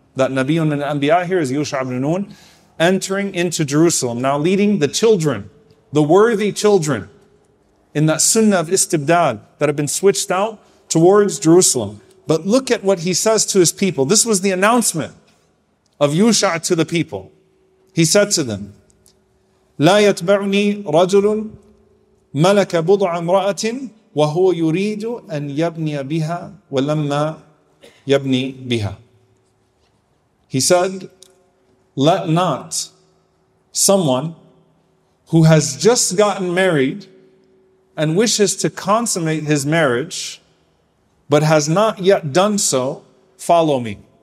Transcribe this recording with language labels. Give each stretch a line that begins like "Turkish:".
English: That Nabiyun and Anbiya here is Yusha ibn Nun entering into Jerusalem. Now leading the children, the worthy children, in that sunnah of istibdad that have been switched out towards Jerusalem. But look at what he says to his people. This was the announcement of Yusha to the people. He said to them,
Arabic: لَا يَتْبَعْنِي رَجُلٌ مَلَكَ بُضْعَ امْرَأَةٍ وَهُوَ يُرِيدُ أَنْ يَبْنِيَ بِهَا وَلَمَّا يَبْنِي بِهَا.
English: He said, let not someone who has just gotten married and wishes to consummate his marriage but has not yet done so follow me.